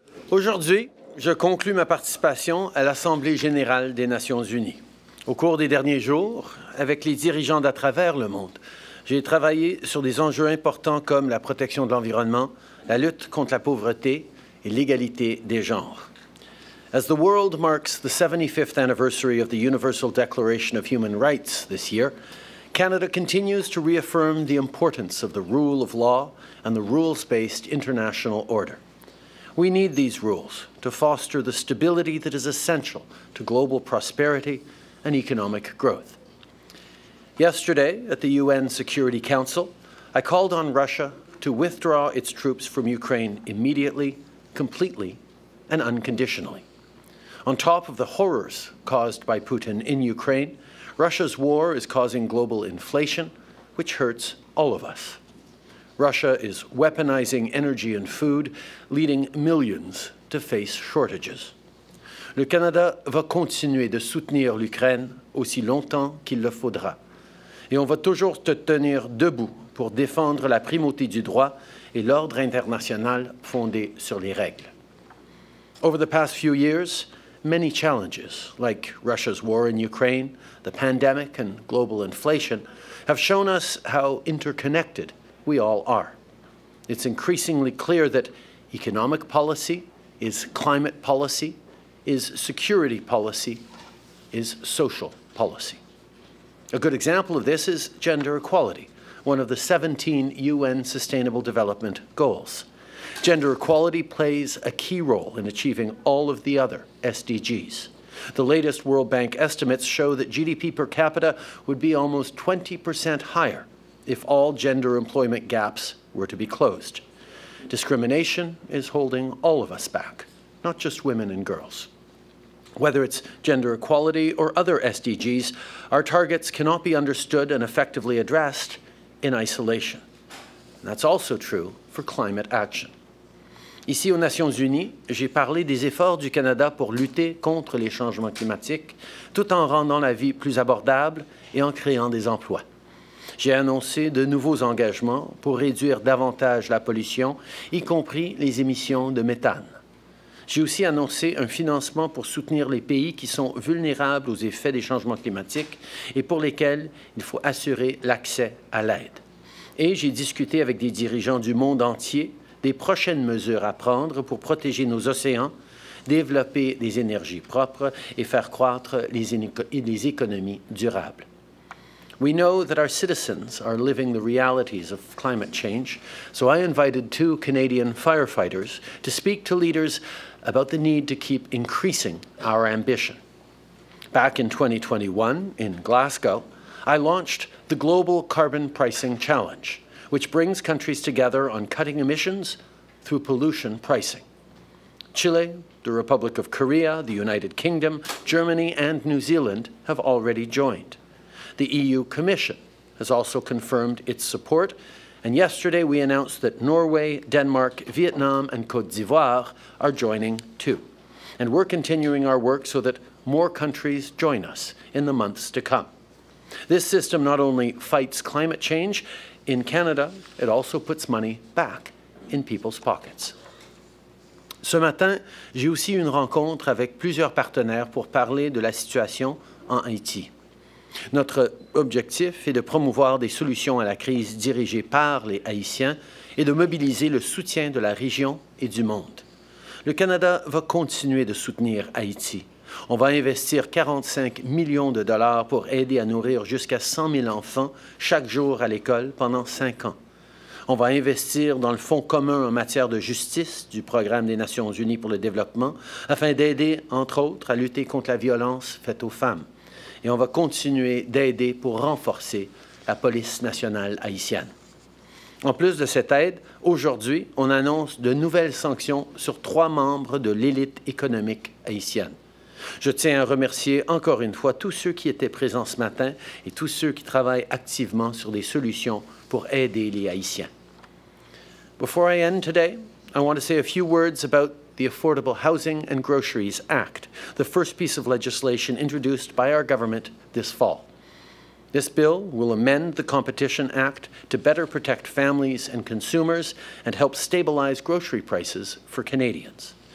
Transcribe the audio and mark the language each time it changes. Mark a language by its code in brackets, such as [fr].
[fr] Aujourd'hui, je conclue ma participation à l'Assemblée générale des Nations unies. Au cours des derniers jours, avec les dirigeants d'à travers le monde, j'ai travaillé sur des enjeux importants comme la protection de l'environnement, la lutte contre la pauvreté et l'égalité des genres. [en] As the world marks the 75th anniversary of the Universal Declaration of Human Rights this year, Canada continues to reaffirm the importance of the rule of law and the rules-based international order. We need these rules to foster the stability that is essential to global prosperity and economic growth. Yesterday, at the UN Security Council, I called on Russia to withdraw its troops from Ukraine immediately, completely, and unconditionally. On top of the horrors caused by Putin in Ukraine, Russia's war is causing global inflation, which hurts all of us. Russia is weaponizing energy and food, leading millions to face shortages. [fr] Le Canada va continuer de soutenir l'Ukraine aussi longtemps qu'il le faudra. Et on va toujours te tenir debout pour défendre la primauté du droit et l'ordre international fondé sur les règles. [en] Over the past few years, many challenges, like Russia's war in Ukraine, the pandemic, and global inflation, have shown us how interconnected we all are. It's increasingly clear that economic policy is climate policy, is security policy, is social policy. A good example of this is gender equality, one of the 17 UN Sustainable Development Goals. Gender equality plays a key role in achieving all of the other SDGs. The latest World Bank estimates show that GDP per capita would be almost 20% higher if all gender employment gaps were to be closed. Discrimination is holding all of us back, not just women and girls. Whether it's gender equality or other SDGs, our targets cannot be understood and effectively addressed in isolation. And that's also true for climate action. [fr] Ici, aux Nations unies, j'ai parlé des efforts du Canada pour lutter contre les changements climatiques, tout en rendant la vie plus abordable et en créant des emplois. J'ai annoncé de nouveaux engagements pour réduire davantage la pollution, y compris les émissions de méthane. J'ai aussi annoncé un financement pour soutenir les pays qui sont vulnérables aux effets des changements climatiques et pour lesquels il faut assurer l'accès à l'aide. Et j'ai discuté avec des dirigeants du monde entier des prochaines mesures à prendre pour protéger nos océans, développer des énergies propres et faire croître les économies durables. [en] We know that our citizens are living the realities of climate change, so I invited two Canadian firefighters to speak to leaders about the need to keep increasing our ambition. Back in 2021, in Glasgow, I launched the Global Carbon Pricing Challenge, which brings countries together on cutting emissions through pollution pricing. Chile, the Republic of Korea, the United Kingdom, Germany, and New Zealand have already joined. The EU Commission has also confirmed its support, and yesterday we announced that Norway, Denmark, Vietnam, and Côte d'Ivoire are joining too. And we're continuing our work so that more countries join us in the months to come. This system not only fights climate change, in Canada, it also puts money back in people's pockets. [fr] Ce matin, j'ai aussi une rencontre avec plusieurs partenaires pour parler de la situation en Haïti. Notre objectif est de promouvoir des solutions à la crise dirigée par les Haïtiens et de mobiliser le soutien de la région et du monde. Le Canada va continuer de soutenir Haïti. On va investir 45 millions de dollars pour aider à nourrir jusqu'à 100 000 enfants chaque jour à l'école pendant 5 ans. On va investir dans le Fonds commun en matière de justice du Programme des Nations unies pour le développement afin d'aider, entre autres, à lutter contre la violence faite aux femmes. Et on va continuer d'aider pour renforcer la police nationale haïtienne. En plus de cette aide, aujourd'hui, on annonce de nouvelles sanctions sur 3 membres de l'élite économique haïtienne. Je tiens à remercier encore une fois tous ceux qui étaient présents ce matin et tous ceux qui travaillent activement sur des solutions pour aider les Haïtiens. [en] Before I end today, I want to say a few words about the Affordable Housing and Groceries Act, the first piece of legislation introduced by our government this fall. This bill will amend the Competition Act to better protect families and consumers and help stabilize grocery prices for Canadians.